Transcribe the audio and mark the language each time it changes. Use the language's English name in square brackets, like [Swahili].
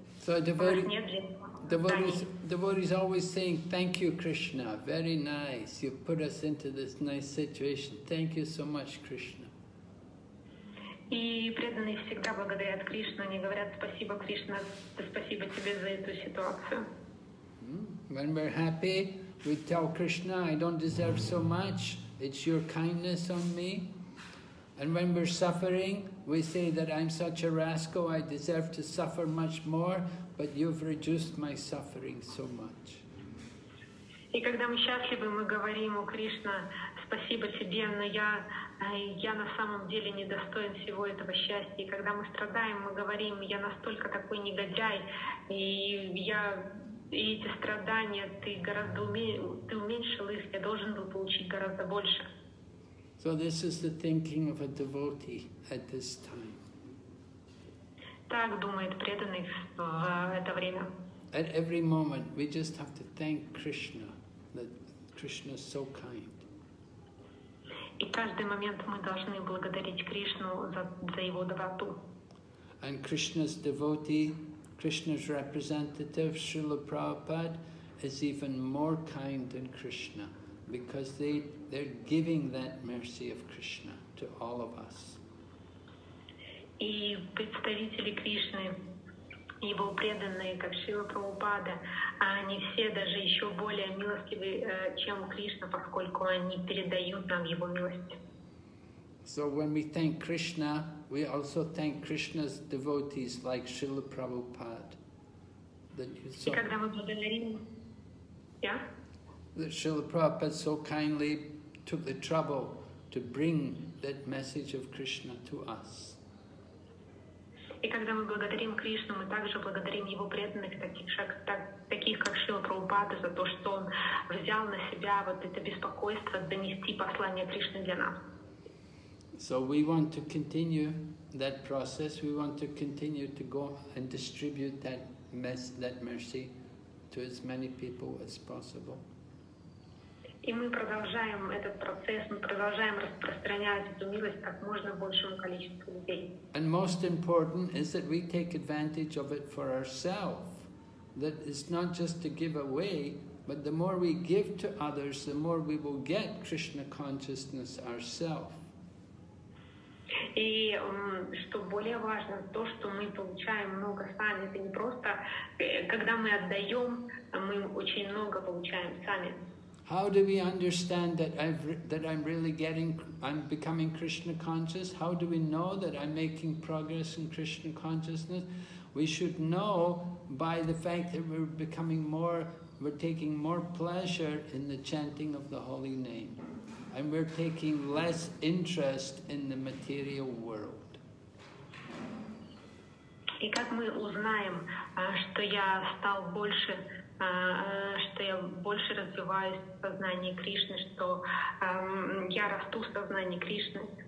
[English] So devotees always saying, thank you, Krishna, very nice, you put us into this nice situation, thank you so much, Krishna. [Russian] И преданные всегда благодарят Кришну, они говорят, спасибо, Кришна, спасибо тебе за эту ситуацию. [English] When we're happy, we tell Krishna, I don't deserve so much, it's your kindness on me. And when we're suffering, we say that I'm such a rascal, I deserve to suffer much more, but you've reduced my suffering so much. [Russian] И когда мы счастливы, мы говорим, о Кришна, спасибо тебе, но я на самом деле не достоин всего этого счастья. И когда мы страдаем, мы говорим, я настолько такой негодяй, и эти страдания, ты уменьшил их, я должен был получить гораздо больше. [English] So this is the thinking of a devotee at this time. [Russian] Так думает преданный в это время. [English] At every moment we just have to thank Krishna, that Krishna is so kind. [Russian] И каждый момент мы должны благодарить Кришну за его доброту. [English] And Krishna's devotee, Krishna's representative, Srila Prabhupada, is even more kind than Krishna, because they're giving that mercy of Krishna to all of us. [Russian] и представители Кришны, его преданные, как Шрила Прабхупада, они все даже еще более милостивы, чем Кришна, поскольку они передают нам его милость. [English] So when we thank Krishna, we also thank Krishna's devotees like Srila Prabhupada. [Russian] И когда мы благодарим, yeah? [English] That Srila Prabhupada so kindly took the trouble to bring that message of Krishna to us. [Russian] И когда мы благодарим Кришну, мы также благодарим его преданных, таких как Шрила Прабхупада, за то, что он взял на себя вот это беспокойство донести послание Кришны для нас. [English] So we want to continue that process, we want to continue to go and distribute that mercy to as many people as possible. [Russian] И мы продолжаем этот процесс, мы продолжаем распространять эту милость как можно большему количеству людей. [English] And most important is that we take advantage of it for ourselves. That it's not just to give away, but the more we give to others, the more we will get Krishna consciousness ourselves. [Russian] И что более важно, то, что мы получаем много сами, это не просто, когда мы отдаем, мы очень много получаем сами. [English] How do we understand that I'm becoming Krishna conscious? How do we know that I'm making progress in Krishna consciousness? We should know by the fact that we're taking more pleasure in the chanting of the holy name, and we're taking less interest in the material world. [Russian] И как мы узнаем, что я больше развиваюсь в сознании Кришны, что я расту в сознании Кришны?